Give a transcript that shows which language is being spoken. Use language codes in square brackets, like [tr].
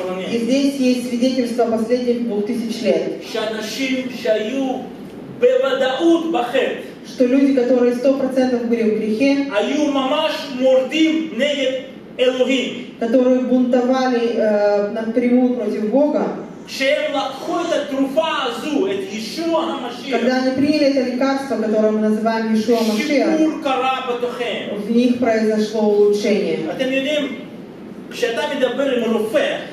[ru] И здесь есть свидетельство последних 2000 лет. [he] בוודאות בחטא. [ru] Что люди, которые 100% были в грехе, [he] היו ממש מורדים נגד אלוהים. [ru] Которые бунтовали напрямую против Бога. [he] כשהם לקחו את התרופה הזו, את ישוע המשיח. [ru] Когда они приняли это лекарство, которое мы называем ישוע המשיח. [he] שיפור קרה בתוכם. [ru] В них произошло улучшение. [he] אתם יודעים, כשאתה מדבר עם רופא,